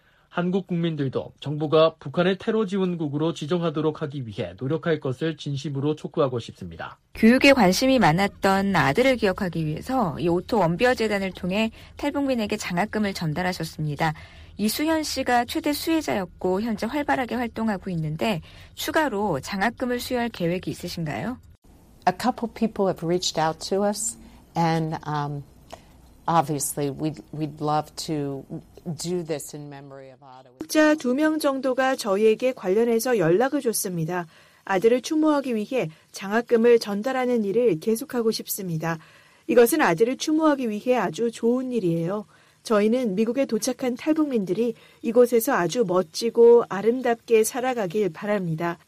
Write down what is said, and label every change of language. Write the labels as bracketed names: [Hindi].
[Korean] 한국 국민들도 정부가 북한을 테러 지원국으로 지정하도록 하기 위해 노력할 것을 진심으로 촉구하고 싶습니다. 교육에 관심이 많았던 아들을 기억하기 위해서 이 오토 원비어재단을 통해 탈북민에게 장학금을 전달하셨습니다. 이수현 씨가 최대 수혜자였고 현재 활발하게 활동하고 있는데 추가로 장학금을 수여할 계획이 있으신가요? [English] A couple people have reached out to us and obviously we'd love to do this in memory of Otto. [Korean] 학자 두 명 정도가 저희에게 관련해서 연락을 줬습니다. 아들을 추모하기 위해 장학금을 전달하는 일을 계속하고 싶습니다. 이것은 아들을 추모하기 위해 아주 좋은 일이에요. 저희는 미국에 도착한 탈북민들이 이곳에서 아주 멋지고 아름답게 살아가길 바랍니다.